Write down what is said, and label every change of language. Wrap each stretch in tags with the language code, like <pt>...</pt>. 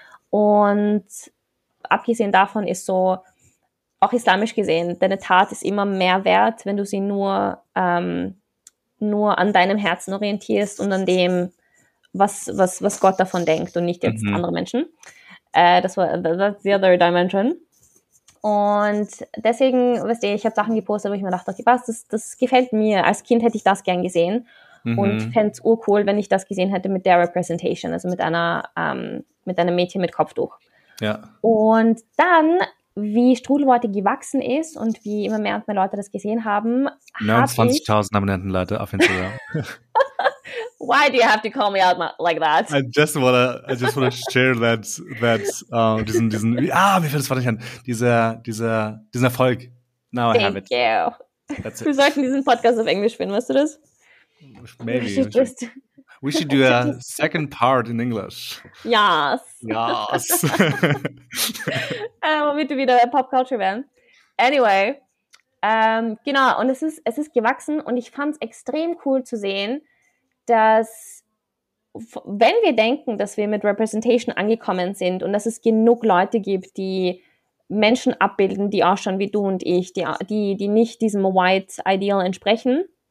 <de>Und abgesehen davon ist so, auch islamisch gesehen, deine Tat ist immer mehr wert, wenn du sie nur an deinem Herzen orientierst und an dem, was Gott davon denkt und nicht jetzt andere Menschen. Das war</de> <en>that's the other dimension.</en> <de>Und deswegen, weißt du, ich habe Sachen gepostet, wo ich mir dachte, okay, was, das gefällt mir. Als Kind hätte ich das gern gesehen und fände es urcool, wenn ich das gesehen hätte mit der Representation, also mit einem Mädchen mit Kopftuch. Ja. Und dann, wie Strudelworte gewachsen ist und wie immer mehr und mehr Leute das gesehen haben. 29.000 Abonnenten, Leute, auf Instagram.</de> <en>Why do you have to call me out like that? I just wanna share</en> <de>diesen wie fällt das Wort nicht an? Diesen Erfolg. Now</de> <en>Thank I have it. Thank you. That's it.</en> <de>Wir sollten diesen Podcast auf Englisch finden, weißt du das?</de> <en>Maybe. We should do a second part in English. Yes. Yes.</en> <de>Womit du wieder Popkultur werden. Anyway, genau, und es ist gewachsen und ich fand es extrem cool zu sehen, dass, wenn wir denken, dass wir mit Representation angekommen sind und dass es genug Leute gibt, die Menschen abbilden, die auch schon wie du und ich, die nicht diesem White Ideal entsprechen.</de>